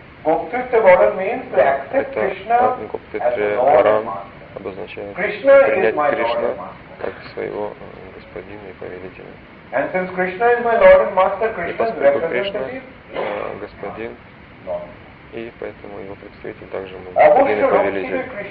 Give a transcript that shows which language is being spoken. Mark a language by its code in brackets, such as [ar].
[en] Bhoktritya Varan means to accept Krishna as Lord and Master. [ru] Обозначает принять Кришну как своего господина и повелителя. [en] And since Krishna is my Lord and Master, Krishna's representative. [ru] Господин, и поэтому его представитель также мы должны повели.